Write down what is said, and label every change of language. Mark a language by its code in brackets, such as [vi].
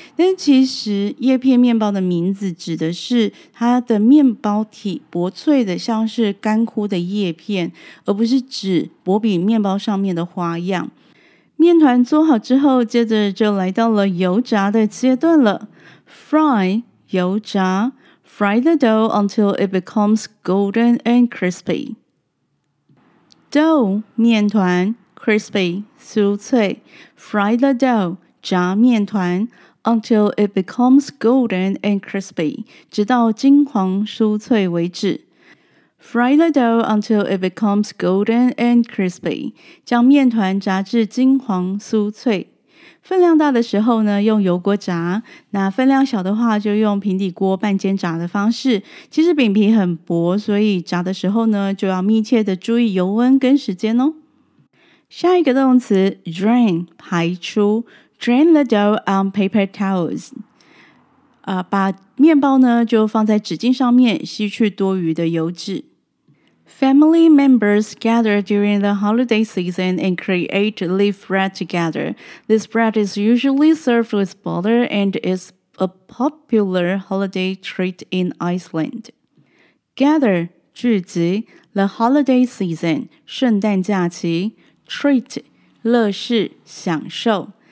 [zh] 但其实叶片面包的名字指的是它的面包体薄脆的，像是干枯的叶片，而不是指薄饼面包上面的花样。面团做好之后，接着就来到了油炸的阶段了 ，fry 油炸。 [en] Fry the dough until it becomes golden and crispy. Dough, 面团, crispy, 酥脆. Fry the dough, [zh] 炸面团, [en] until it becomes golden and crispy, [zh] 直到金黄酥脆为止. [en] Fry the dough until it becomes golden and crispy, [zh] 将面团炸至金黄酥脆。分量大的时候呢，用油锅炸，那分量小的话就用平底锅半煎炸的方式。其实饼皮很薄，所以炸的时候呢，就要密切的注意油温跟时间哦。下一个动词 drain 排出 ， [en] drain the dough on paper towels。 [zh] 把面包呢就放在纸巾上面吸去多余的油脂。 [en] Family members gather during the holiday season and create leaf bread together. This bread is usually served with butter and is a popular holiday treat in Iceland. Gather, 聚集, the holiday season, 圣诞假期, treat, 乐事, 享受.